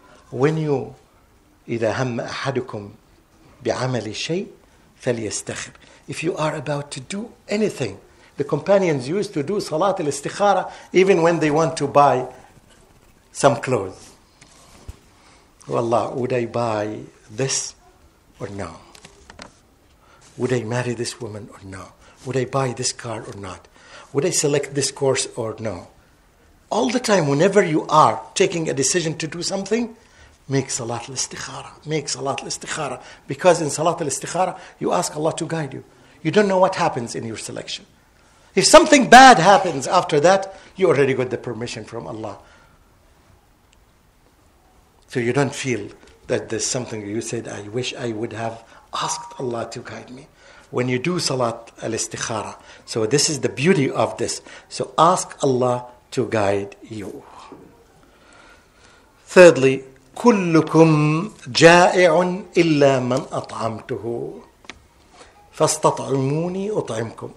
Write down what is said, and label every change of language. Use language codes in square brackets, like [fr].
[ar] When you, إِذَا هَمَّ أَحَدُكُمْ بِعَمَلِ شَيْءٍ فَلْيَسْتَخِرْ. [en] If you are about to do anything, the companions used to do Salat al-Istikhara even when they want to buy some clothes. Wallah, would I buy this or no? Would I marry this woman or no? Would I buy this car or not? Would I select this course or no? All the time, whenever you are taking a decision to do something, make Salat al-Istikhara. Make Salat al-Istikhara. Because in Salat al-Istikhara, you ask Allah to guide you. You don't know what happens in your selection. If something bad happens after that, you already got the permission from Allah. So you don't feel that there's something you said, I wish I would have asked Allah to guide me. When you do Salat al-Istikhara. So this is the beauty of this. So ask Allah to guide you. [ar] Thirdly, كلكم جائع إلا من أطعمته فاستطعموني أطعمكم.